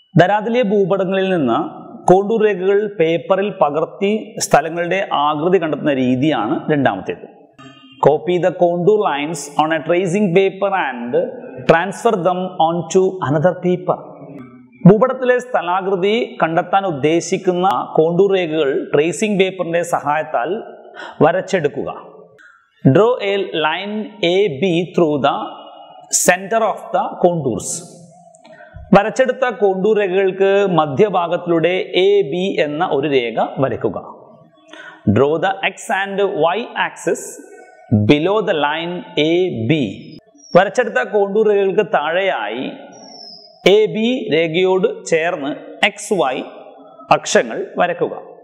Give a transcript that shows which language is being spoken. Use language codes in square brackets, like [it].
[ml] ദരാദിലെ ഭൂപടങ്ങളിൽ നിന്ന് കോണ്ടൂർ രേഖകൾ പേപ്പറിൽ പകർത്തി സ്ഥലങ്ങളുടെ ആകൃതി കണ്ടെത്തുന്ന രീതിയാണ് രണ്ടാമത്തേത്. [en] Copy the contour lines on a tracing paper and transfer them onto another paper. [ml] ഭൂപടത്തിലെ സ്ഥലാകൃതി കണ്ടെത്താൻ ഉദ്ദേശിക്കുന്ന കോണ്ടൂർ രേഖകൾ ട്രേസിംഗ് പേപ്പറിന്റെ സഹായത്താൽ വരച്ചെടുക്കുക. [en] Draw a line AB through the center of the contours. [ml] വരച്ചെടുത്ത contour രേഖകൾക്ക് മധ്യഭാഗത്തിലൂടെ AB എന്ന ഒരു രേഖ വരയ്ക്കുക. [en] Draw the X and Y axis below the line AB. [ml] വരച്ചെടുത്ത contour രേഖകൾക്ക് താഴെയായി AB രേഖയോട് ചേർന്ന് XY അക്ഷങ്ങൾ വരയ്ക്കുക.